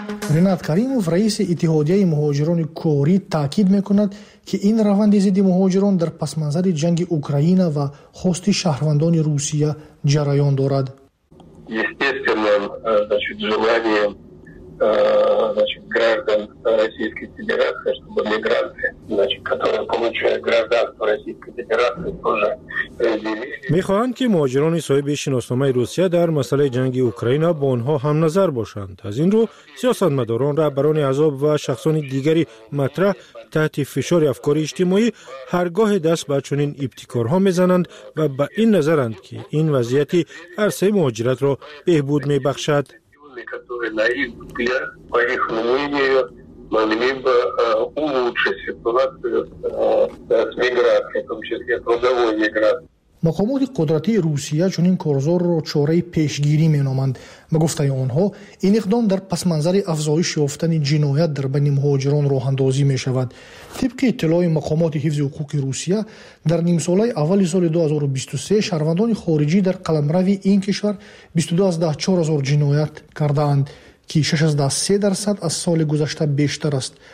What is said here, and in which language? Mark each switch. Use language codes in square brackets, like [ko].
[fa] رینات کریموف رئیس اتحادیه مهاجران کوری تاکید میکند که این روند ضد مهاجران در پسمنظر جنگ اوکراین و خواست شهروندان روسیه جریان دارد. [ru] граждан Российской Федерации, чтобы мигранты, которые получают гражданство Российской Федерации, тоже [fa] میخواهند که مهاجران صاحب شناسنامه روسیه در مسئله جنگ اوکراین با آنها هم نظر باشند. از این رو سیاستمداران رهبران احزاب و شخصان دیگری مطرح تحت فشار افکار اجتماعی هرگاه دست به چنین ابتکارها میزنند و به این نظرند که این وضعیت عرصه مهاجرت را بهبود میبخشد. [ru] могли бы улучшить ситуацию с миграцией, в том числе трудовой миграцией. [fa] مقامات قدرتی روسیه چنین کارزار را چاره پیشگیری می نامند. به گفته آنها این اقدام در پس منظر افزایش یافتن جنایت در بین مهاجران راه اندازی می شود. طبق اطلاع مقامات حفظ حقوق روسیه در نیم سال اول سال 2023 شهروندان خارجی در قلمرو این کشور 22,400 جنایت کرده اند که 6.3% از سال گذشته بیشتر است.